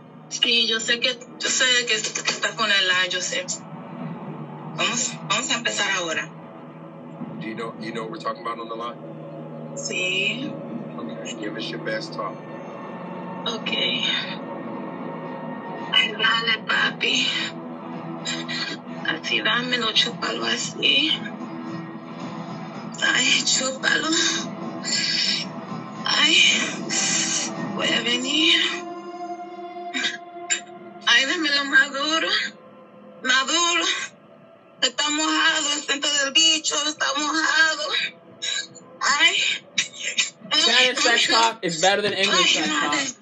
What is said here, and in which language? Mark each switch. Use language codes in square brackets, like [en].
[es] Sí, yo sé que está con el live, yo sé. Vamos a empezar ahora. [en] Do you know what we're talking about on the live? [es] Sí. [en] Okay, give us your best talk. [es] Okay. Ay, dale, papi. Así, dámelo, chúpalo así. Ay, chúpalo. Ay, voy a venir. Ay, dámelo maduro. Maduro. Está mojado, el centro del bicho está mojado. Ay. [en] Spanish sex talk is better than English sex talk.